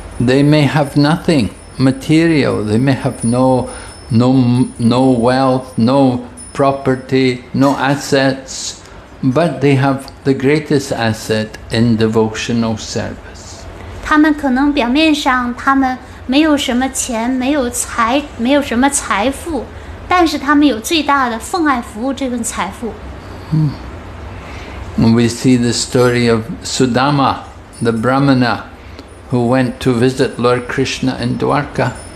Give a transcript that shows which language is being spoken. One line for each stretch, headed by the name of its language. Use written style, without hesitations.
English: They may have nothing material. They may have no wealth, no property, no assets. But they have the greatest asset in devotional service.
Chinese: 他们可能表面上他们没有什么钱，没有财，没有什么财富， 但是他们有最大的奉爱服务这份财富。
English: We see the story of Sudama, the Brahmana, who went to visit Lord Krishna in Dwarka.